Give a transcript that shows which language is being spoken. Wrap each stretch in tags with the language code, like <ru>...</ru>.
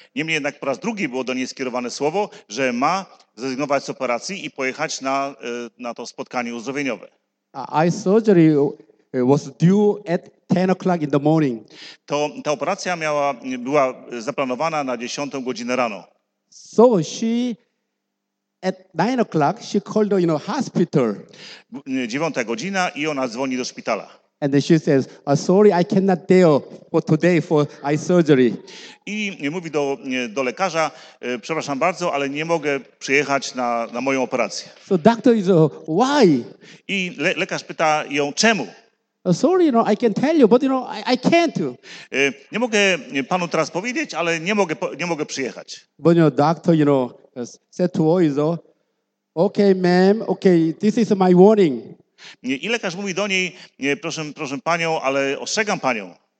<pl>Niemniej jednak po raz drugi było do niej skierowane słowo, że ma zrezygnować z operacji i pojechać na to spotkanie uzdrowieniowe.</pl> <en>Eye surgery was due at 10 o'clock in the morning.</en> <pl>Ta operacja była zaplanowana na 10 godzinę rano.</pl> <en>So she at 9 o'clock she called, you know, hospital.</en> <pl>9 godzina i ona dzwoni do szpitala.</pl> <en>And then she says, sorry, I cannot deal for today for eye surgery.</en> <pl>I mówi do lekarza, przepraszam bardzo, ale nie mogę przyjechać na moją operację.</pl> <en>So doctor is why?</en> <pl>I lekarz pyta ją czemu?</pl> <en>Sorry, you know, I can tell you, but you know, I can't.</en> <pl>Nie mogę panu teraz powiedzieć, ale nie mogę przyjechać.</pl> <en>But you know, doctor, you know, said to her, is, okay, ma'am, okay, this is my warning.</en> <pl>I lekarz mówi do niej, proszę panią, ale ostrzegam panią.</pl>